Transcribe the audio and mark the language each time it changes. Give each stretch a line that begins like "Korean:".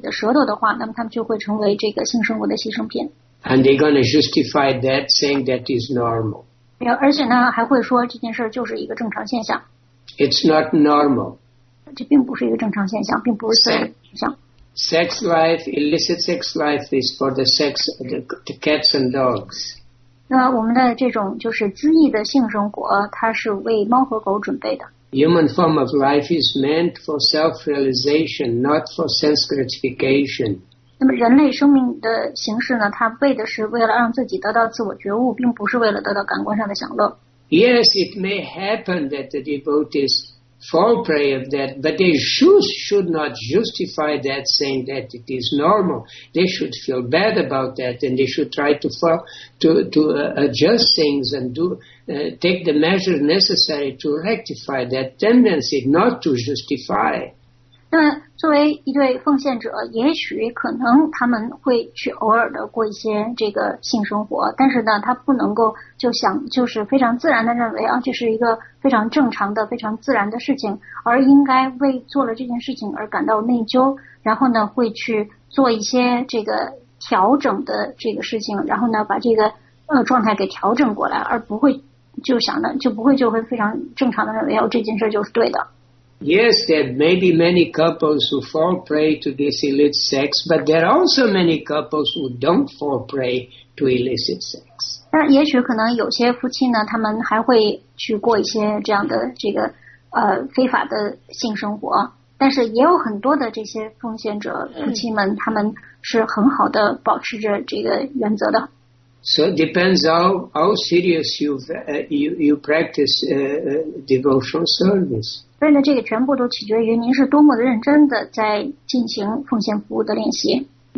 Chinese: 如果他们要是没有很好的去控制自己的舌头的话，那么他们就会成为这个性生活的牺牲品。
English: And they're going to justify that, saying that is normal.
Chinese: 而且呢，还会说这件事就是一个正常现象。
English: It's not normal.
Chinese: 这并不是一个正常现象，并不是自然现象。
English: Sex life, illicit sex life is for the sex of the cats and dogs.
Chinese: 那我们的这种就是恣意的性生活，它是为猫和狗准备的。
English: human form of life is meant for self-realization, not for sense gratification.
Chinese: 那么人类生命的形式呢，它为的是为了让自己得到自我觉悟，并不是为了得到感官上的享乐。
English: Yes, it may happen that the devotees fall prey of that, but they should not justify that, saying that it is normal. They should feel bad about that, and they should try to adjust things and take the measures necessary to rectify that tendency, not to justify.
Chinese: 那作为一对奉献者，也许可能他们会去偶尔的过一些这个性生活，但是呢，他不能够就是非常自然的认为啊，这是一个非常正常的、非常自然的事情，而应该为做了这件事情而感到内疚，然后呢，会去做一些这个调整的这个事情，然后呢，把这个状态给调整过来，而不会就想的就不会就会非常正常的认为哦，这件事就是对的。
English: Yes, there may be many couples who fall prey to this illicit sex, but there are also many couples who don't fall prey to illicit sex.
Chinese: 但也许可能有些夫妻呢，他们还会去过一些这样的这个非法的性生活，但是也有很多的这些奉献者夫妻们，他们是很好的保持着这个原则的。
English: So it depends how serious you practice devotional service.
Chinese: 所以呢，这个全部都取决于您是多么的认真的在进行奉献服务的练习。